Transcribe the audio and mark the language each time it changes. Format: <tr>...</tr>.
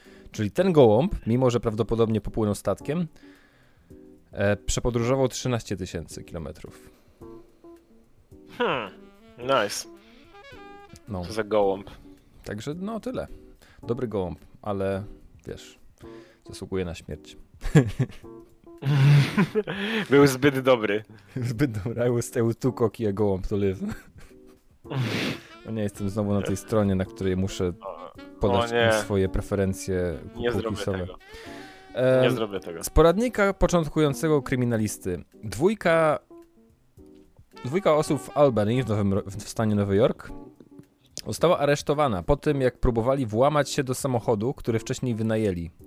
<pl>Czyli ten gołąb, mimo że prawdopodobnie popłynął statkiem, przepodróżował 13 000 km.</pl> <en>Nice.</en> <pl>No. Co za gołąb. Także no tyle. Dobry gołąb, ale wiesz, zasługuje na śmierć. Był zbyt dobry. Zbyt dobry.</pl> <en>I was too cocky a gołąb to live.</en> <pl>O nie, jestem znowu na tej stronie, na której muszę podać swoje preferencje kupisowe. Nie zrobię tego. Z poradnika początkującego kryminalisty. Dwójka osób w Albany, w stanie Nowy Jork, została aresztowana po tym, jak próbowali włamać się do samochodu, który wcześniej wynajęli.</pl>